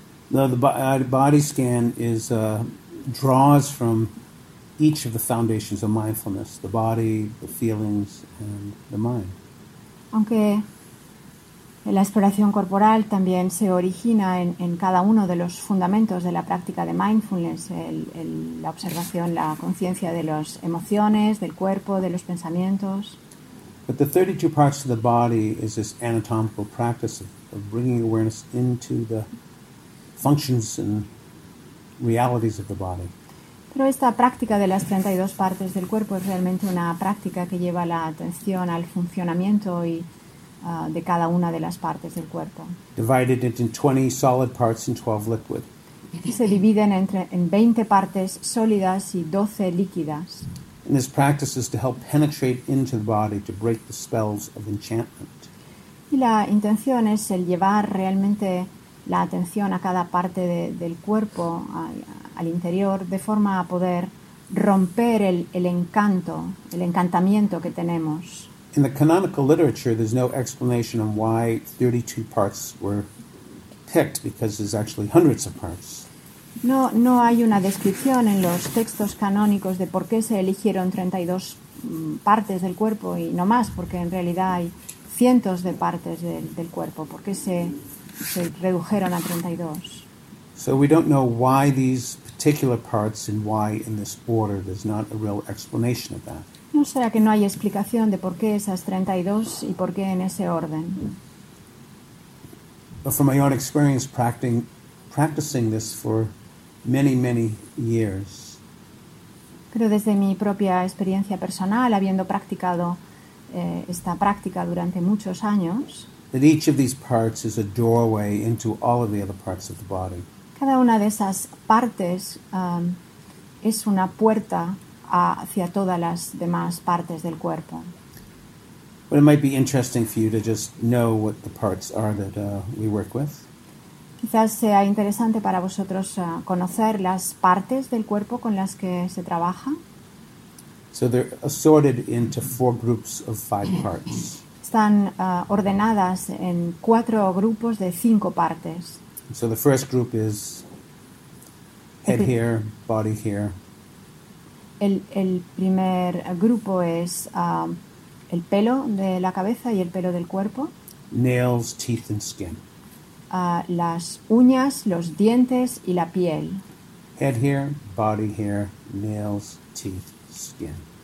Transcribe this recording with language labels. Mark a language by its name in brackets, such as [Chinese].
[English] The body scan is draws from each of the foundations of mindfulness, the body, the feelings, and the mind. [Spanish] Aunque la exploración corporal también se origina en cada uno de los fundamentos de la práctica de mindfulness, la observación, la conciencia de las emociones, del cuerpo, de los pensamientos. [English] But the 32 parts of the body is this anatomical practice of bringing awareness into the functions and realities of the body. [Spanish] Pero esta práctica de las 32 partes del cuerpo es realmente una práctica que lleva la atención al funcionamiento y de cada una de las partes del cuerpo. [English] Divided into 20 solid parts and 12 liquid. [Spanish] Se dividen en 20 partes sólidas y 12 líquidas. [English] And this practice is to help penetrate into the body to break the spells of enchantment. [Spanish] Y la intención es el llevar realmente la atención a cada parte del cuerpo, al interior, de forma a poder romper el encantamiento que tenemos. [English] In the canonical literature, there's no explanation on why 32 parts were picked, because there's actually hundreds of parts. [Spanish] No hay una descripción en los textos canónicos de por qué se eligieron 32 partes del cuerpo y no más, porque en realidad hay cientos de partes del cuerpo. ¿Por qué se redujeron a 32? [English] So we don't know why these particular parts and why in this order. There's not a real explanation of that. [Spanish] No será que no hay explicación de por qué esas 32 y por qué en ese orden. [English] But from my own experience practicing this for many, many years. [Spanish] Pero desde mi propia experiencia personal, habiendo practicado esta práctica durante muchos años, [English] that each of these parts is a doorway into all of the other parts of the body. [Spanish] Cada una de esas partes es una puerta hacia todas las demás partes del cuerpo. [English] But it might be interesting for you to just know what the parts are that we work with. [Spanish] Quizás sea interesante para vosotros conocer las partes del cuerpo con las que se trabaja. [English] So they're assorted into four groups of five parts. [Spanish] Están ordenadas en cuatro grupos de cinco partes. [English] So the first group is head here, body here. [Spanish] El primer grupo es el pelo de la cabeza y el pelo del cuerpo. [English] Nails, teeth and skin. [Spanish] Las uñas, los dientes y la piel. [English] Head here, body here, nails, teeth, skin.